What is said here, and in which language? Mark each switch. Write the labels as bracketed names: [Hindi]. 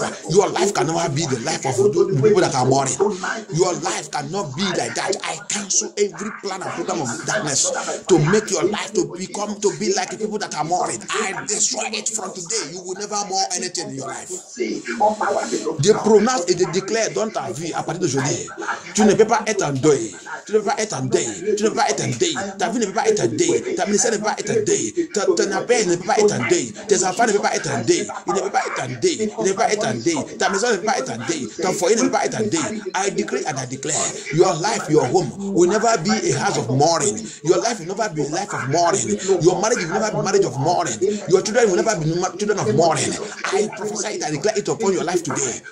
[English] Your life can never be the life of people that are mourning. Your life cannot be like that. I cancel every plan and program of darkness to make your life to be like the people that are mourning. I destroy it from today. You will never mourn anything in your life. [French] Je prononce et je déclare dans ta vie à partir d'aujourd'hui. Tu ne peux pas être en deuil. Tu ne peux pas être en deuil. Tu ne peux pas être en deuil. Ta vie ne peut pas être en deuil. Ta ministère ne peut pas être en deuil. Ton appel ne peut pas être en deuil. Tes enfants ne peuvent pas être en deuil. Ils ne peuvent pas être en deuil. Ils ne peuvent pas être en deuil. Ta maison ne peut pas être en deuil. Ton foyer ne peut pas être en deuil. [English] I decree and I declare, your life, your home will never be a house of mourning. Your life will never be a life of mourning. Your marriage will never be a marriage of mourning. Your children will never be children of mourning. I prophesy it and declare it upon your life today.